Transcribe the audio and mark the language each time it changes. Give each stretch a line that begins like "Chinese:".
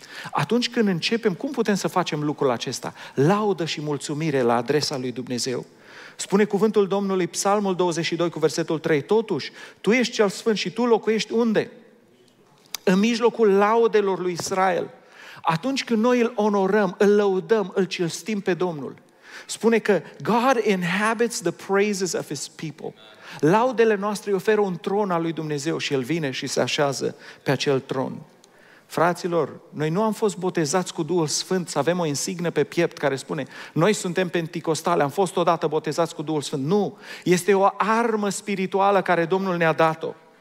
Romanian: Atunci când începem, cum putem să facem lucrul acesta? Laudă și mulțumire la adresa lui Dumnezeu. Spune cuvântul Domnului, Psalmul 22 cu versetul 3. Totuși, tu ești cel sfânt și tu locuiești unde? În mijlocul laudelor lui Israel. Atunci când noi îl onorăm, îl lăudăm, îl cinstim pe Domnul. Spune că
English: God inhabits the praises of his people.
Romanian: Laudele noastre îi oferă un tron al lui Dumnezeu și el vine și se așează pe acel tron. Fraților, noi nu am fost botezați cu Duhul Sfânt să avem o insignă pe piept care spune noi suntem penticostale, am fost odată botezați cu Duhul Sfânt. Nu, este o armă spirituală care Domnul ne-a dat-o.